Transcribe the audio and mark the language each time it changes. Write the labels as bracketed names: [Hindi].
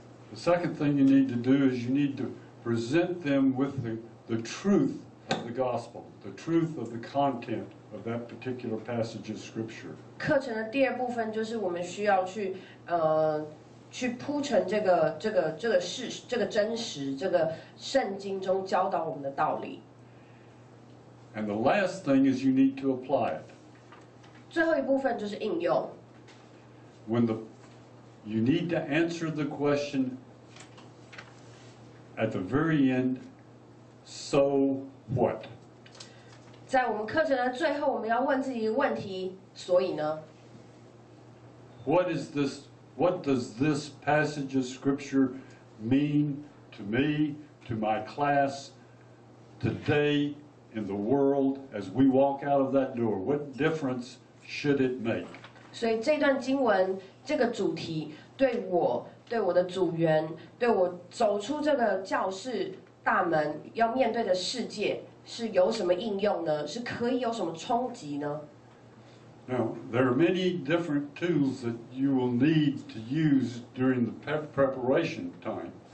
[English] The second thing you need to do is you need to present them with the truth of the gospel, the truth of the content of that particular passage of scripture. [Chinese] 课程的第二部分就是我们需要去去铺陈这个事，这个真实，这个圣经中教导我们的道理。 [English] And the last thing is you need to apply it. [Chinese] 最后一部分就是应用。 [English] When the you need to answer the question at the very end, so what? [Chinese] 在我们课程的最后，我们要问自己一个问题：所以呢 [English] ？What is this? What does this passage of scripture mean to me, to my class, today in the world as we walk out of that door? What difference should it make? [Chinese] 所以这段经文，这个主题对我，对我的组员，对我走出这个教室大门要面对的世界是有什么应用呢？是可以有什么冲击呢？ [English] Now, there are many different tools that you will need to use during the preparation time.